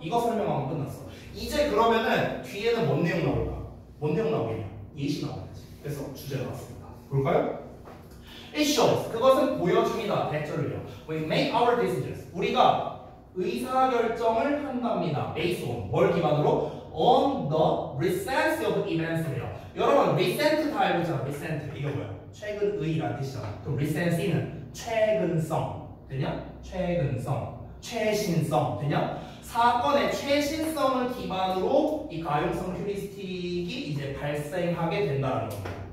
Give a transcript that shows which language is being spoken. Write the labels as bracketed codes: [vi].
[ko] 이거 설명하면 끝났어. 이제 그러면은 뒤에는 뭔 내용 나올까? 뭔 내용 나오겠냐? 예시 나와야지. 그래서 주제가 나왔습니다. 볼까요? [en] It shows. [ko] 그것은 보여줍니다. 대처를요. [en] We make our decisions. [ko] 우리가 의사결정을 한답니다. [en] Based on. [ko] 뭘 기반으로? [en] On the recent of events래요. [ko] 여러분, recent 다 알고잖아. recent. 이게 뭐야? 최근의란 뜻이잖아. 그럼 recency는 최근성. 되냐? 최근성. 최신성. 되냐? 사건의 최신성을 기반으로 이 가용성 휴리스틱이 이제 발생하게 된다는 겁니다.